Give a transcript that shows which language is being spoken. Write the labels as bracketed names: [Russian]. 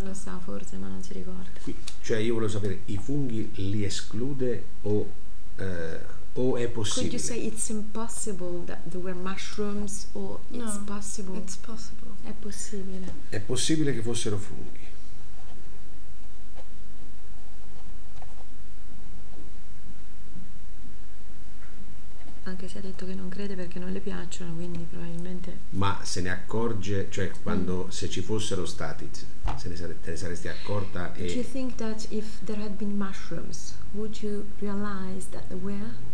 [Italian] Non lo so, forse, ma non si ricorda. Cioè, io volevo sapere, i funghi li esclude o è possibile? [English] Could you say it's impossible that there were mushrooms or it's no, possible? It's possible. [Italian] È possibile. È possibile che fossero funghi. Anche se ha detto che non crede perché non le piacciono, quindi probabilmente. Ma se ne accorge, cioè quando se ci fossero stati, te ne saresti accorta e. [English] Do you think that if there had been mushrooms, would you realize that there were?